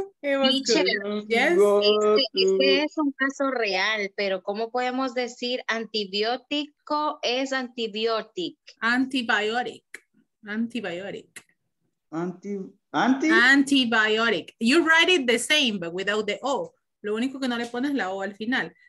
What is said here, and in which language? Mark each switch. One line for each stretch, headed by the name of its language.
Spanish: Este es un caso real, pero ¿cómo podemos decir antibiótico es antibiotic?
English: Antibiotic. You write it the same, but without the O.
Spanish: Lo único que no le pones la O al final.